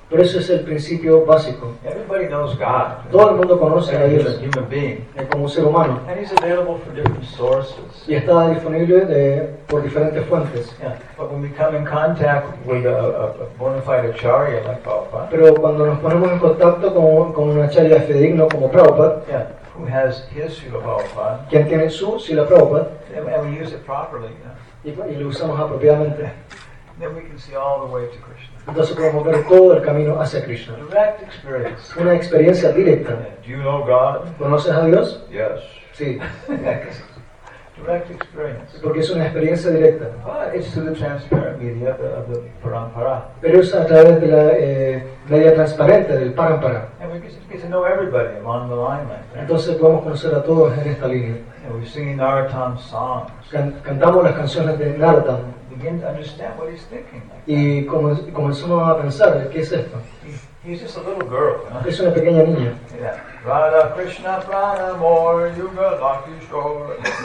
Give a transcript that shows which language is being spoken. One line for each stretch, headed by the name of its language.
Spanish: Pero eso es el principio básico.
English: Everybody knows God.
Spanish: Todo el mundo conoce a Dios.
English: As a human being.
Spanish: Como un ser humano.
English: And he's available for different sources.
Spanish: Y está disponible por diferentes fuentes.
English: Yeah, but when we come in contact with a bona fide acharya like Prabhupada.
Spanish: Pero cuando nos ponemos en contacto con un acharya fidedigno como Prabhupada.
English: Yeah. Who has his Srila Prabhupada?
Spanish: ¿Quién tiene su Srila Prabhupada?
English: And we use it properly.
Spanish: Yeah. Y lo usamos apropiadamente.
English: Then we can see all the way to Krishna.
Spanish: Entonces podemos ver todo el camino hacia Krishna.
English: Direct experience.
Spanish: Una experiencia directa.
English: Do you know God?
Spanish: ¿Conoces a Dios?
English: Yes.
Spanish: Sí.
English: Direct experience.
Spanish: Porque es una experiencia directa.
English: But it's through the transparent media of the Parampara.
Spanish: Pero es a través de la media transparente del Parampara.
English: And we get to know everybody along the line like that.
Spanish: Entonces podemos conocer a todos en esta línea.
English: And we sing Narottam songs.
Spanish: Cantamos las canciones de Narottam.
English: Begin to understand what he's thinking. Like
Spanish: y comenzamos a pensar, ¿qué es esto?
English: He's just a little girl. You know?
Spanish: Es una pequeña niña.
English: Yeah. Radha Krishna Prana More Yuga Lucky Shore.